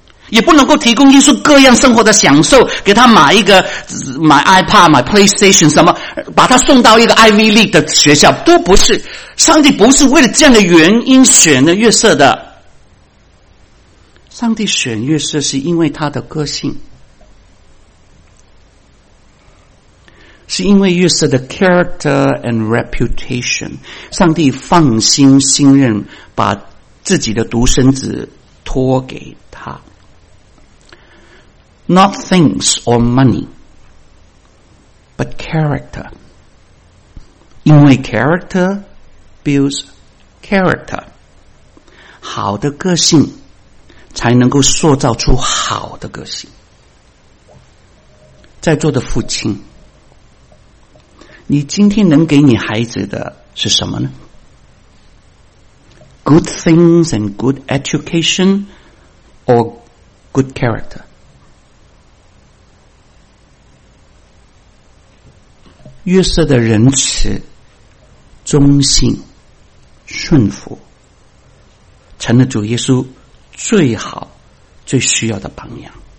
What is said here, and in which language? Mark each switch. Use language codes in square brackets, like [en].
[zh] 也不能够提供耶稣各样生活的享受，给他买一个买 iPad 买 PlayStation 什么，把他送到一个 Ivy League 的学校，都不是，上帝不是为了这样的原因选了约瑟的，上帝选约瑟是因为他的个性，是因为约瑟的 [en] character and reputation， [zh] 上帝放心信任把自己的独生子托给他。 [en] Not things or money but character， [zh] 因为 [en] character builds character， [zh] 好的个性才能够塑造出好的个性。在座的父亲，你今天能给你孩子的是什么呢？ [en] Good things and good education or good character？ [zh] 约瑟的仁慈、忠信、顺服成了主耶稣最好最需要的榜样。